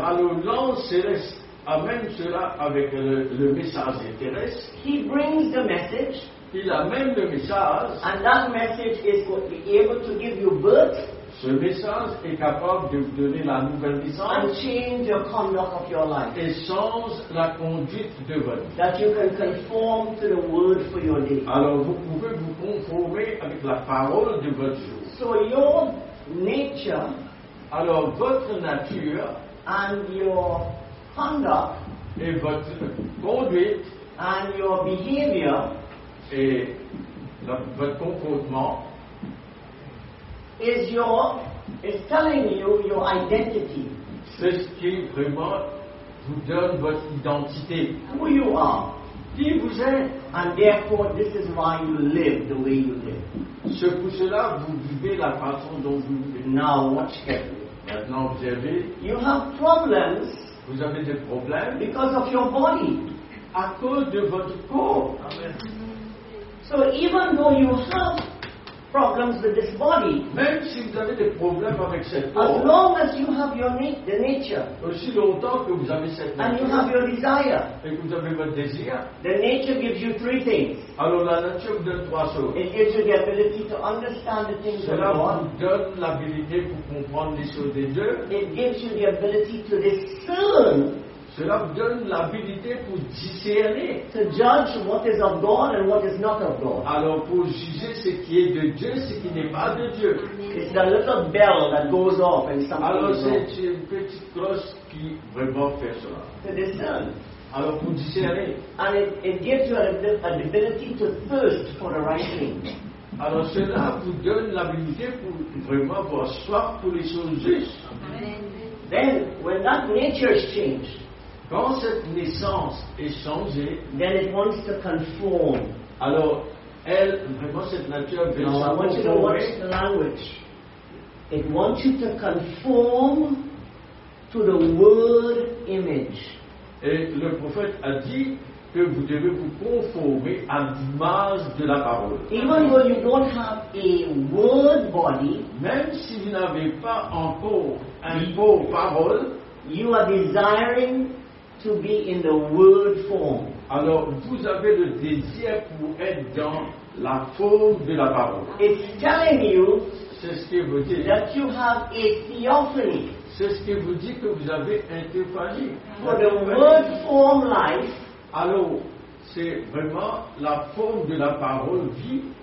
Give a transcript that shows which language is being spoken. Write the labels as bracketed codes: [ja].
[fr] Alors l'ange céleste amène cela avec le message terrestre. [en] He brings the message. [fr] Il amène le message. [en] And that message is able to give you birth. [fr] Ce message est capable de vous donner la nouvelle naissance. [en] And change the conduct of your life. [fr] Et change la conduite de votre vie. [en] That you can conform to the word for your day. [fr] Alors vous pouvez vous conformer avec la parole de votre jour. [en] So your nature. [fr] Alors votre nature. [en] And your conduct [fr] et votre conduite [en] and your behavior [fr] et votre comportement [en] is telling you your identity. [fr] C'est ce qui vraiment vous donne votre identité. [en] Who you are. [fr] Qui vous êtes. [en] And therefore this is why you live the way you live. [fr] C'est pour cela vous vivez la façon dont vous vivez. [en] Now watch carefully. [fr] Maintenant vous avez [en] you have problems. [fr] Vous avez des problèmes. [en] Because of your body. [fr] À cause de votre corps. [en] Amen. So even though you have problems with this body, [fr] même si vous avez des problèmes avec cette corps, [en] as long as you have your the nature, [fr] aussi longtemps que vous avez cette nature, [en] and you have your desire, [fr] et que vous avez votre désir, [en] the nature gives you three things. [fr] Alors la nature vous donne trois choses. [en] It gives you the ability to understand the things [fr] cela [en] of God. [fr] Cela vous donne l'habilité pour comprendre les choses de Dieu. [en] It gives you the ability to discern. [fr] Cela vous donne l'habilité pour discerner. [en] To judge what is of God and what is not of God. [fr] Alors pour juger ce qui est de Dieu, ce qui n'est pas de Dieu. [en] It's the little bell that goes off and something. [fr] Alors c'est une petite cloche qui vraiment fait cela. [en] To discern. [fr] Alors pour discerner. [en] And it gives you an ability to thirst for the right thing. [fr] Alors cela vous donne l'habilité pour vraiment avoir soif pour les choses justes. [en] Amen. Then when that nature is changed. [fr] Quand cette naissance est changée, [en] then it wants to conform. [fr] Alors, elle, vraiment cette nature veut conformer. [en] I want you to watch the language. It wants you to conform to the word image. [fr] Et le prophète a dit que vous devez vous conformer à l'image de la parole. [en] Even though you don't have a word body, [fr] même si vous n'avez pas encore un mot parole, [en] you are desiring to be in the word form. [fr] Alors vous avez le désir pour être dans la forme de la parole. [en] It's telling you, [fr] c'est ce qui vous dit, [en] that you have a theophany. [fr] C'est ce qui vous dit que vous avez un théophanie. [en] For the word form life. [fr] Alors, c'est vraiment la forme de la parole vie.